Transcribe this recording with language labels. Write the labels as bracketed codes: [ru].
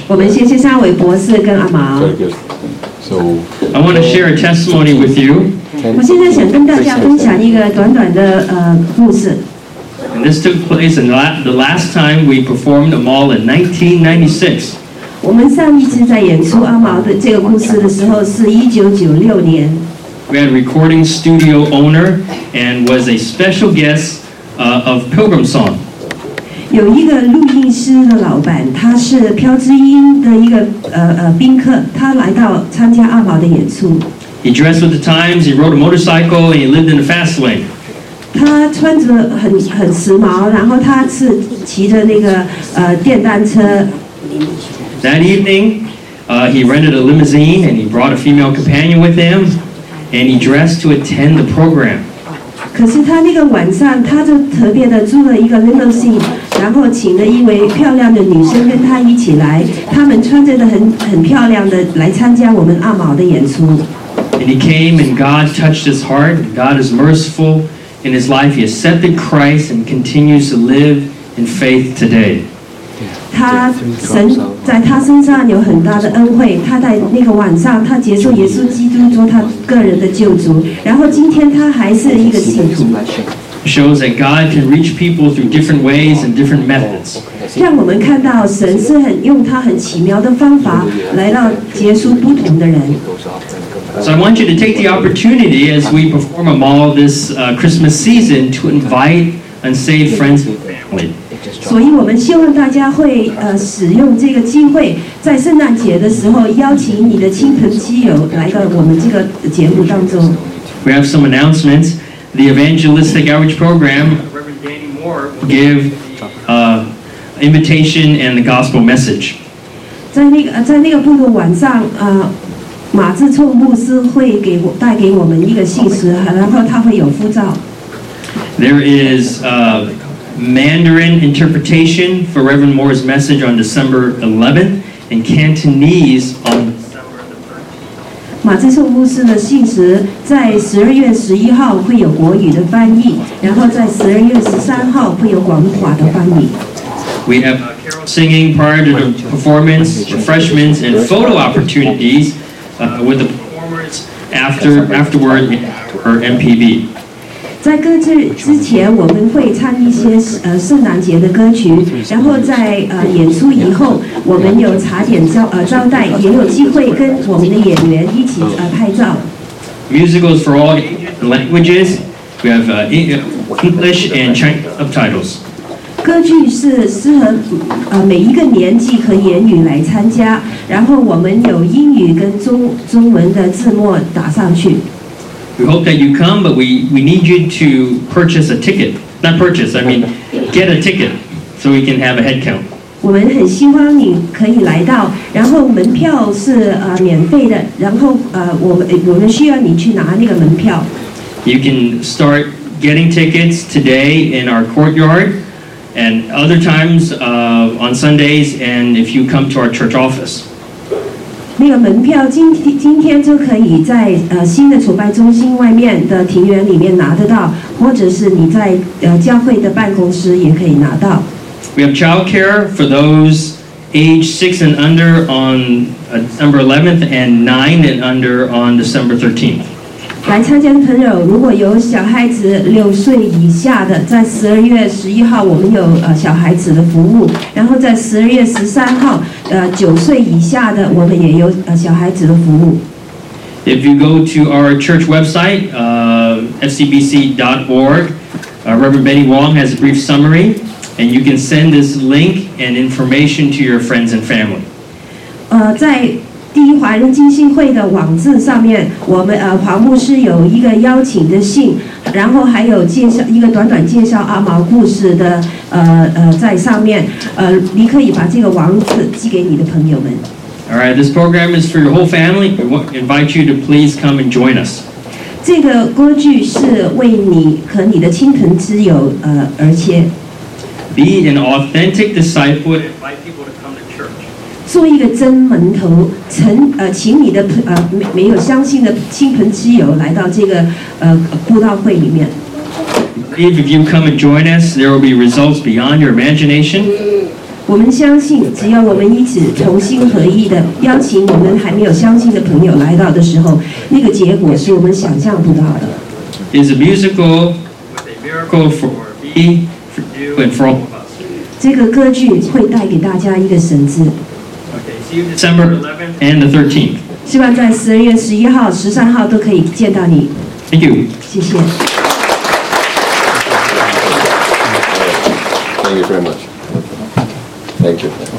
[en] So, I want to share a testimony with you. And this took place in the last time we performed a mall in 1996. [zh] 我们上一次在演出阿毛的这个故事的时候是1996年。 [en] We had a recording studio owner and was a special guest, of Pilgrim Song. [zh] 有一个录音师的老板，他是飘之音的一个宾客，他来到参加阿毛的演出。 [en] He dressed with the times, he rode a motorcycle, and he lived in a fast lane. [zh] 他穿着很时髦，然后他是骑着那个电单车。 [en] That evening, he rented a limousine and he brought a female companion with him and he dressed to attend the program. [zh] 可是他那个晚上他就特别的租了一个 limousine, 然后请了一位漂亮的女生跟他一起来，他们穿着的很漂亮的来参加我们阿毛的演出。 [en] And he came and God touched his heart. God is merciful in his life. He accepted Christ and continues to live in faith today. [zh] 他神在他身上有很大的恩惠，他在那个晚上他接受耶稣基督做他个人的救主，然后今天他还是一个信徒。 [en] Shows that God can reach people through different ways and different methods. [zh] 让我们看到神是很用他很奇妙的方法来到接受不同的人。 [en] So I want you to take the opportunity as we perform a mall this Christmas season to invite unsaved friends and family. [zh] 所以我们希望大家会使用这个机会，在圣诞节的时候邀请你的亲朋戚友来到我们这个节目当中。 [en] We have some announcements. The Evangelistic Outreach Program, Reverend Danny Moore, will give invitation and the gospel message. [zh] 在那个部分晚上，马志聪牧师会给我带给我们一个信息，然后他会有附照。 [en] There is Mandarin interpretation for Reverend Moore's message on December 11th and Cantonese on December 13th. [zh] 马志聪牧师的信息在12月11号会有国语的翻译，然后在12月13号会有广东话的翻译。 [en] We have singing prior to the performance, refreshments, and photo opportunities with the performers afterward or MPB. [zh] 在歌剧之前我们会唱一些圣诞节的歌曲，然后在演出以后我们有茶点招待，也有机会跟我们的演员一起拍照。 [en] Musicals for all ages and languages. We have English and Chinese subtitles. [zh] 歌剧是适合每一个年纪和言语来参加，然后我们有英语跟中文的字幕打上去。 [en] We hope that you come, but we need you to purchase a ticket. Not purchase, I mean, get a ticket so we can have a head count. [zh] 我们很希望你可以来到，然后门票是免费的，然后我们需要你去拿那个门票。 [en] You can start getting tickets today in our courtyard and other times on Sundays and if you come to our church office. [zh] 那个门票今天就可以在新的崇拜中心外面的庭园里面拿得到，或者是你在教会的办公室也可以拿到。 [en] We have child care for those age 6 and under on December 11th and 9 and under on December 13th. [zh] 来参加的朋友如果有小孩子六岁以下的，在12月11号我们有小孩子的服务，然后在12月13号九岁以下的我们也有小孩子的服务。 [en] If you go to our church website, fcbc.org, Reverend Benny Wong has a brief summary, and you can send this link and information to your friends and family. [zh] 在第一华人基金会的网站上面，我们黄牧师有一个邀请的信，然后还有介绍一个短短介绍阿毛故事的在上面，你可以把这个网址寄给你的朋友们。 [en] All right, this program is for your whole family. We invite you to please come and join us. [zh] 这个歌剧是为你和你的亲朋之友而且。 [en] Be an authentic disciple. Invite people to come to church. [zh] 做一个真门徒，请你的没有相信的亲朋之友来到这个布道会里面。 [en] believe if you come and join us, there will be results beyond your imagination. [zh] 我们相信，只要我们一起同心合意的邀请我们还没有相信的朋友来到的时候，那个结果是我们想象不到的。 [en] It's a musical miracle for me, for you, and for all of us. [zh] 这个歌剧会带给大家一个神迹。 [en] Okay, see you December 11th and the 13th. [zh] 希望在十二月十一号、十三号都可以见到你。 [en] Thank you. [zh] 谢谢。 [en] Thank you very much. Thank you.